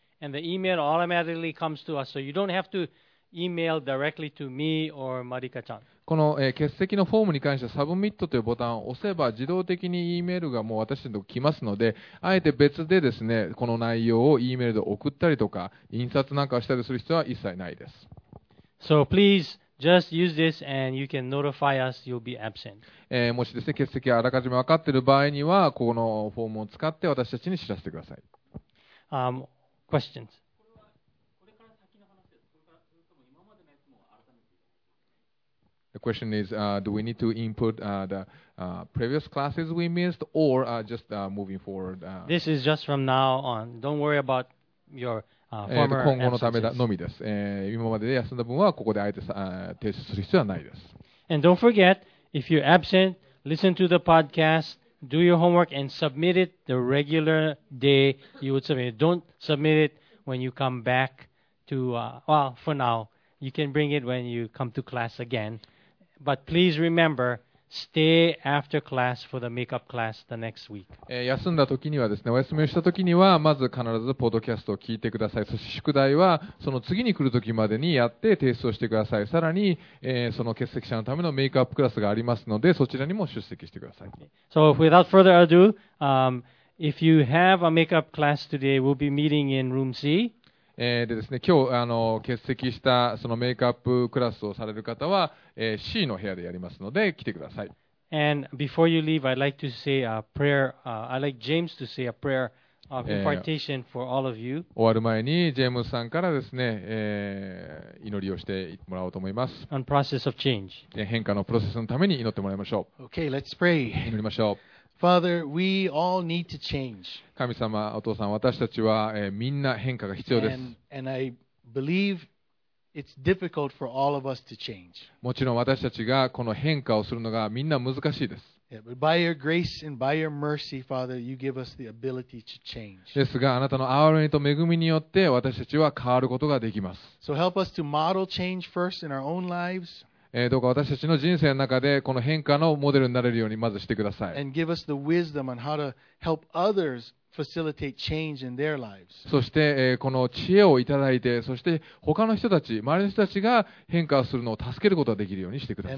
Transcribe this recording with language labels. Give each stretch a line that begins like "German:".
English: And the email automatically comes to us, so you don't have to email directly to me or Marika-chan.
Japanese: この、欠席のフォームに関しては、Submit というボタンを押せば、自動的に E メールがもう私のところに来ますので、あえて別でですね、この内容を E メールで送ったりとか、印刷なんかしたりする必要は一切ないです。
English: So please just use this and you can notify us you'll be absent.
Japanese: もしですね、欠席があらかじめ分かっている場合には、このフォームを使って私たちに知らせてください。
English: Questions. The question is, do we need to input the previous classes we missed or just moving forward? This is just from now on. Don't worry about your former absences.
Japanese: 今後のためのみです。今までで休んだ分はここであえて提出する必要はないです。
English: And don't forget, if you're absent, listen to the podcast. Do your homework and submit it the regular day you would submit it. Don't submit it when you come back to, for now. You can bring it when you come to class again. But please remember, stay after class for the makeup class the next week.
Japanese: 休んだ時にはですね、お休みをした時には、まず必ずポッドキャストを聞いてください。そして宿題はその次に来る時までにやって提出をしてください。さらに、その欠席者のためのメイクアップクラスがありますので、そちらにも出席してください。
English: So without further ado, if you have a makeup class today, we'll be meeting in room C.
Japanese: でですね、今日欠席したそのメイクアップクラスをされる方は、C の部屋でやりますので来てください。
English: And before you leave, I'd like to say a prayer. I'd like James to say a prayer of impartation for all of you.
Japanese: 終わる前にジェームスさんからですね、祈りをしてもらおうと思います。
English: On process of change.
Japanese: 変化のプロセスのために祈ってもらいましょう。
English: Okay, let's pray.
Japanese: 祈りましょう。
English: Father, we all need to change.
Japanese: 神様、お父さん、私たちは、みんな変化が必要です。
English: And I believe it's difficult for all of us to change.
Japanese: もちろん私たちがこの変化をするのがみんな難しいです。
English: Yeah, but by your grace and by your mercy, Father, you give us the ability to change.
Japanese: ですが、あなたの憐れみと恵みによって私たちは変わることができます。
English: So help us to model change first in our own lives.
Japanese: どうか私たちの人生の中でこの変化のモデルになれるようにまずしてください。そして、この知恵をいただいて、そして他の人たち、周りの人たちが変化するのを助けることができるようにしてください。